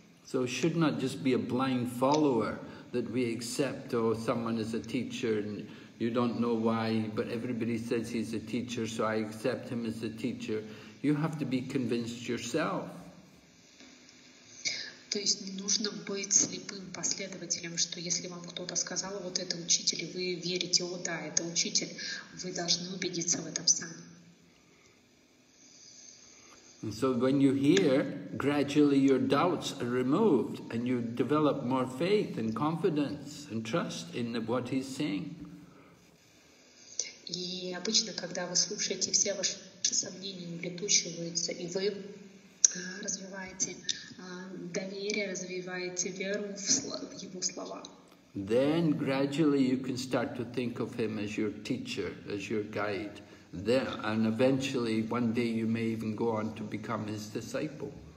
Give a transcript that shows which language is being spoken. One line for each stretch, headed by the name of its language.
English: So it should not just be a blind follower that we accept, oh, someone is a teacher and you don't know why, but everybody says he's a teacher, so I accept him as a teacher. You have to be convinced yourself.
Russian: То есть не нужно быть слепым последователем, что если вам кто-то сказал, вот это учитель, и вы верите, о да, это учитель, вы должны убедиться в этом сами.
English: And so when you hear, gradually your doubts are removed, and you develop more faith and confidence and trust in what he's saying.
Russian: И обычно, когда вы слушаете, все ваши сомнения улетучиваются, и вы развиваете доверие, развиваете веру в его слова.
English: Then gradually you can start to think of him as your teacher, as your guide. Then, and eventually, one day you may even go on to become his disciple.